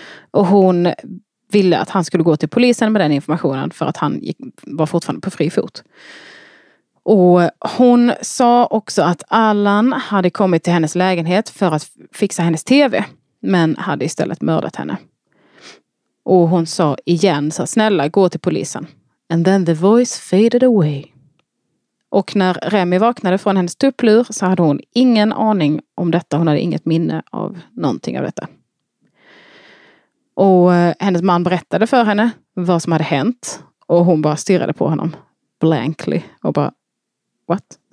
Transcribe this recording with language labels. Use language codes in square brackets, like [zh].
[sv] Och hon ville att han skulle gå till polisen med den informationen för att han var fortfarande på fri fot. Och hon sa också att Alan hade kommit till hennes lägenhet för att fixa hennes tv. Men hade istället mördat henne. Och hon sa igen, så snälla, gå till polisen. [en] And then the voice faded away. [sv] Och när Remy vaknade från hennes tupplur så hade hon ingen aning om detta. Hon hade inget minne av någonting av detta. Och hennes man berättade för henne vad som hade hänt. Och hon bara stirrade på honom blankly. Och bara, what?